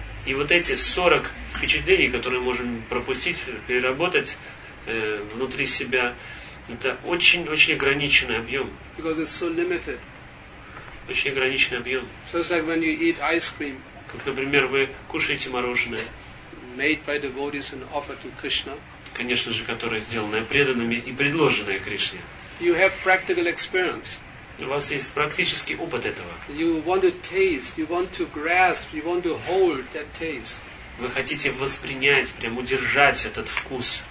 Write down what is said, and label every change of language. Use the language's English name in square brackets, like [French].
[Russian] И вот эти 40 впечатлений, которые мы можем пропустить, переработать внутри себя, это очень ограниченный объем. [English] Because it's so limited. [Russian] Очень ограниченный объем. [English] So it's like when you eat ice cream. [Russian] Как, например, вы кушаете мороженое. [English] Made by devotees and offered to Krishna. [Russian] Конечно же, которое сделанное преданными и предложенное Кришне. [English] You have practical experience. [Russian] У вас есть практический опыт этого. [English] You want to taste, you want to grasp, you want to hold that taste. [Russian] Вы хотите воспринять, прям удержать этот вкус.